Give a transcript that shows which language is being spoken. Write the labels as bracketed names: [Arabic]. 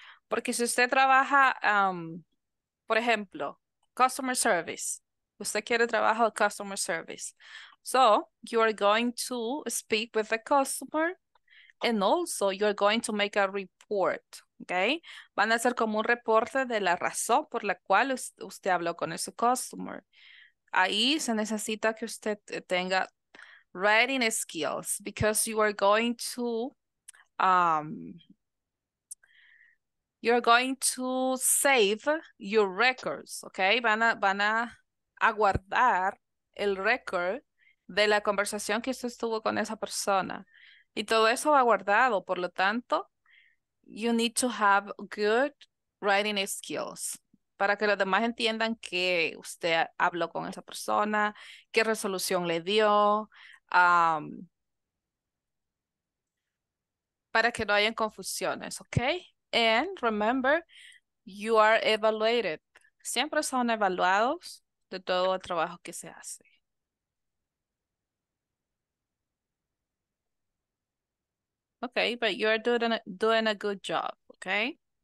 [Spanish] Porque si usted trabaja, por ejemplo, customer service. Usted quiere trabajar customer service. [English] So, you are going to speak with the customer. And also, you are going to make a report. Okay? [Spanish] Van a hacer como un reporte de la razón por la cual usted habló con ese customer. Ahí se necesita que usted tenga writing skills. [English] Because you are going to... you're going to save your records, okay? [Spanish] Van a guardar el record de la conversación que usted estuvo con esa persona. Y todo eso va guardado. Por lo tanto, [English] you need to have good writing skills [Spanish] para que los demás entiendan que usted habló con esa persona, qué resolución le dio, para que no hayan confusiones, okay? [English] And remember, you are evaluated. [Spanish] Siempre son evaluados de todo el trabajo que se hace. [English] Okay, but you are doing a good job, okay?